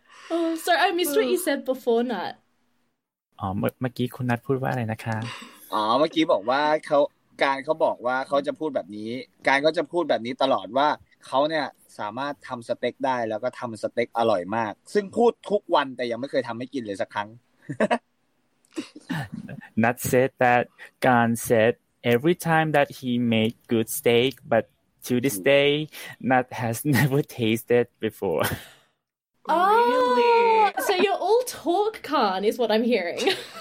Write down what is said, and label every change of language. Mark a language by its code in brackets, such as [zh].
[en] Oh, sorry, I missed what you said before, Nat. [th] เมื่อกี้คุณนัทพูดว่าอะไรนะคะ เมื่อกี้บอกว่าเขาการเขาบอกว่าเขาจะพูดแบบนี้การก็จะพูดแบบนี้ตลอดว่าเขาเนี่ยสามารถทำสเต็กได้แล้วก็ทำสเต็กอร่อยมากซึ่งพูดทุกวันแต่ยังไม่เคยทำให้กินเลยสักครั้ง [en] Nat said that Gan said every time that he made good steak, but to this day, Nat has never tasted before. Oh, really? So you're all talk, Khan, is what I'm hearing.